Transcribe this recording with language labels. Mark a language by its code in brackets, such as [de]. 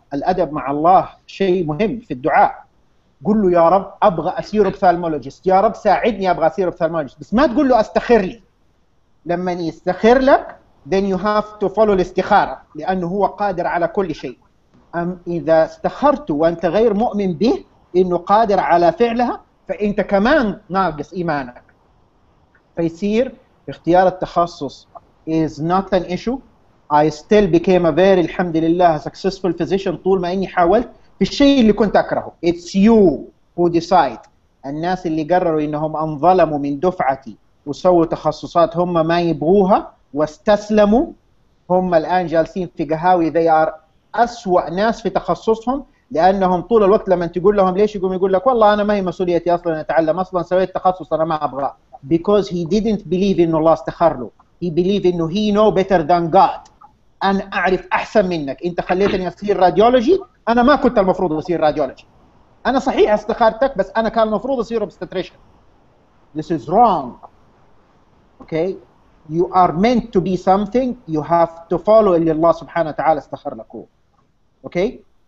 [ar] الأدب مع الله شيء مهم في الدعاء. قل له يا رب أبغى أسير أوبثالمولوجيست، يا رب ساعدني أبغى أسير أوبثالمولوجيست، بس ما تقول له استخير لي. لما يستخير لك [en] then you have to follow [ar] الاستخارة لأنه هو قادر على كل شيء. أم إذا استخرت وأنت غير مؤمن به إنه قادر على فعلها فأنت كمان ناقص إيمانك. فيصير اختيار التخصص [en] is not an issue. I still became a very [ar] الحمد لله [en] successful physician [ar] طول ما إني حاولت في الشيء اللي كنت أكرهه. [en] It's you who decide. [ar] الناس اللي قرروا إنهم انظلموا من دفعتي وسووا تخصصات هم ما يبغوها واستسلموا هم الآن جالسين في قهاوي [en] they are [ar] أسوأ ناس في تخصصهم، لأنهم طول الوقت لما تقول لهم ليش يقوم يقول لك والله أنا ما هي مسؤوليتي أصلا أتعلم، أصلا سويت تخصص أنا ما أبغى. [en] Because he didn't believe [ar] إنه الله استخر له. [en] He believe [ar] إنه [en] he know better than God. [ar] أنا أعرف أحسن منك، أنت خليتني أصير راديولوجي، أنا ما كنت المفروض أصير راديولوجي. أنا صحيح استخرتك بس أنا كان المفروض أصير obstetrician. [en] This is wrong. Okay. You are meant to be something. You have to follow [ar] اللي الله سبحانه وتعالى استخر لكم. [en] Okay.